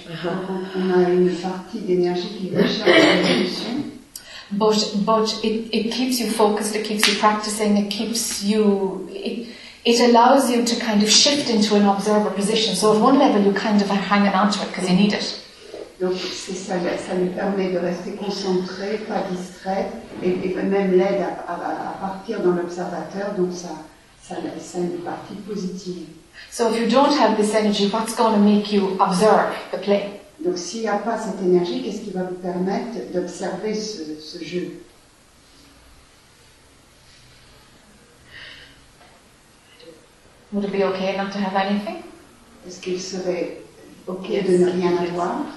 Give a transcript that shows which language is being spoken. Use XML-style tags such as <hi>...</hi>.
<en>Uh-huh. But it keeps you focused, it keeps you practicing, it keeps you. It allows you to kind of shift into an observer position. So at one level, you kind of are hanging on to it because you need it.</en> <fr>Donc c'est ça, ça lui permet de rester concentré, pas distrait, et même l'aide à partir dans l'observateur, donc ça une partie positive.</fr> <en>So if you don't have this energy, what's going to make you observe the play?</en> <fr>Donc s'il n'y a pas cette énergie, qu'est-ce qui va vous permettre d'observer ce jeu?</fr> <en>Would it be okay not to have anything?</en> <fr>Est-ce qu'il serait okay de ne rien avoir?</fr>